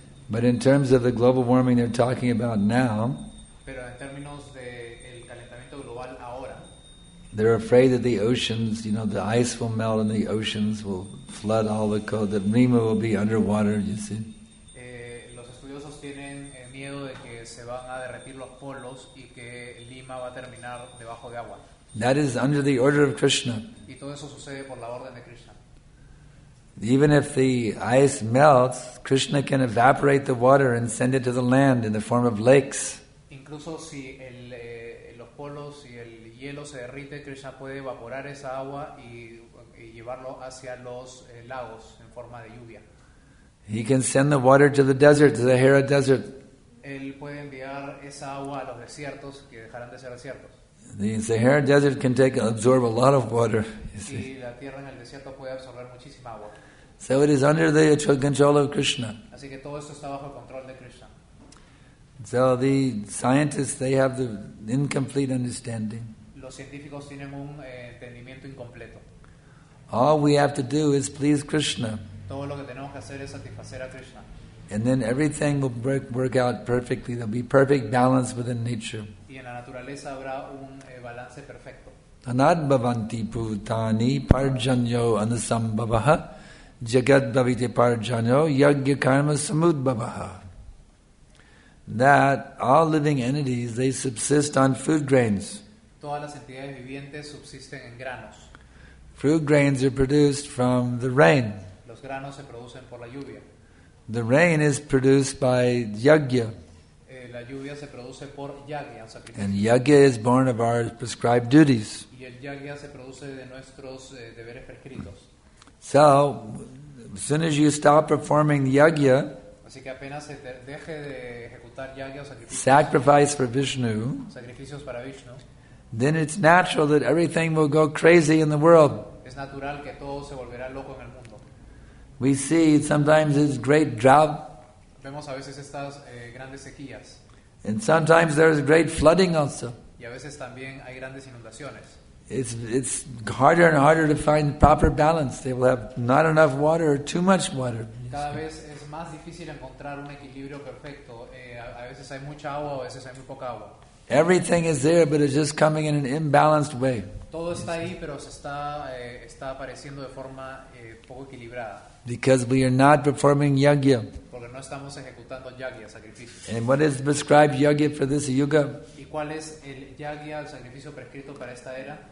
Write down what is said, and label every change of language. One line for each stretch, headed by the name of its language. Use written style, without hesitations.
English: But in terms of the global warming they're talking about now,
Spanish: pero en términos de el calentamiento global ahora,
English: they're afraid that the oceans, you know, the ice will melt and the oceans will flood all the coast, that Rima will be underwater, you see.
Spanish: Los estudiosos tienen miedo de que se van a derretir los polos y que Lima va a terminar debajo de agua.
English: That is under the order of Krishna.
Spanish: Y todo eso sucede por la orden de Krishna.
English: Even if the ice melts, Krishna can evaporate the water and send it to the land in the form of lakes.
Spanish: Incluso si los polos y el hielo se derrite, Krishna puede evaporar esa agua y llevarlo hacia los lagos en forma de lluvia.
English: He can send the water to the desert, to the Sahara Desert.
Spanish: Él puede enviar esa agua a los desiertos que dejarán de ser desiertos.
English: The Sahara Desert can take absorb a lot of water.
Spanish: Y la tierra en el desierto puede absorber muchísima agua.
English: So it is under the control of Krishna.
Spanish: Así que todo esto está bajo el control de Krishna.
English: So the scientists, they have the incomplete understanding.
Spanish: Los científicos tienen un entendimiento incompleto.
English: All we have to do is please Krishna.
Spanish: Todo lo que tenemos que hacer es satisfacer a Krishna.
English: And then everything will work out perfectly. There'll be perfect balance within nature.
Spanish: Y en la naturaleza habrá un balance perfecto.
Sanskrit: Anad bhavanti bhutani parjanyo anasambhavaha jagat bhavite parjanyo yagya karma samudbhavaha.
English: That all living entities, they subsist on food grains.
Spanish: Todas las entidades vivientes subsisten en granos.
English: Fruit grains are produced from the rain.
Spanish: Los granos se producen por la lluvia.
English: The rain is produced by yagya.
Spanish: La lluvia se produce por yagya, sacrificio.
English: And yagya is born of our prescribed duties.
Spanish: Y el yagya se produce de nuestros deberes prescritos.
English: So, as soon as you stop performing yagya,
Spanish: así que apenas se deje de ejecutar yagya, sacrificio,
English: sacrifice for Vishnu,
Spanish: sacrificios para Vishnu,
English: then it's natural that everything will go crazy in the world.
Spanish: Es natural que todo se volverá loco en el mundo.
English: We see sometimes this great drought.
Spanish: Vemos a veces estas grandes sequías.
English: And sometimes there is great flooding also.
Spanish: Y a veces también hay grandes inundaciones.
English: It's harder and harder to find proper balance. They will have not enough water or too much water.
Spanish: Cada vez es más difícil encontrar un equilibrio perfecto. A veces hay mucha agua, a veces hay muy poca agua.
English: Everything is there, but it's just coming in an imbalanced way.
Spanish: Todo está ahí, pero se está está apareciendo de forma poco equilibrada.
English: Because we are not performing yagya.
Spanish: Porque no estamos ejecutando yagya, sacrificio.
English: And what is prescribed yagya for this yuga?
Spanish: ¿Y cuál es el yagya, el sacrificio prescrito para esta era?